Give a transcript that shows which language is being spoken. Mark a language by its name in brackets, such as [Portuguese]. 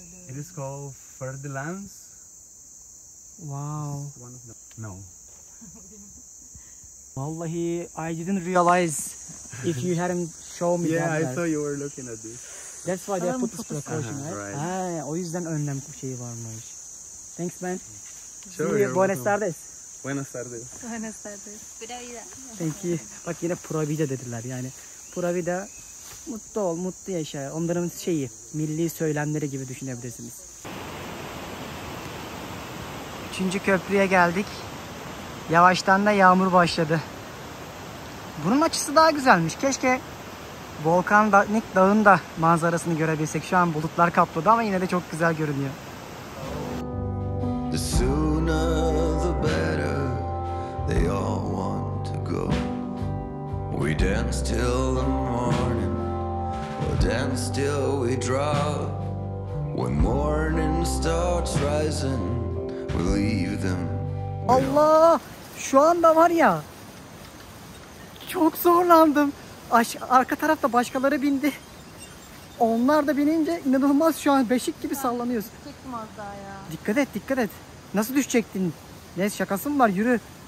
[English] It is called Ferdinand's. Wow. One of the... No. Vallahi, I didn't realize if you hadn't shown me yeah, that. Yeah, I saw you were looking at this. That's why they put this precaution, uh-huh, right? [Turkish] Ha, o yüzden önlem şeyi varmış. [English] Thanks, man. Sure, you're [Spanish] buenas tardes. Buenas tardes. Buenas tardes. Pura vida. [English] Thank you. [Turkish] Bak yine pura vida dediler yani. Pura vida, mutlu ol, mutlu yaşa. Onların şeyi, milli söylemleri gibi düşünebilirsiniz. Üçüncü köprüye geldik. Yavaştan da yağmur başladı. Bunun açısı daha güzelmiş. Keşke Volkanik Dağ'ın da manzarasını görebilsek. Şu an bulutlar kapladı ama yine de çok güzel görünüyor. [English] The sooner the better, they all want to go. We dance till the morning, we dance till we drop. When morning starts rising, we leave them. [Turkish] Allah! Şu anda var ya, çok zorlandım. Arka tarafta başkaları bindi. Onlar da binince inanılmaz şu an beşik gibi ya, sallanıyoruz. Çektim az daha ya. Dikkat et, dikkat et. Nasıl düşecektin? Ne şakası mı var? Yürü.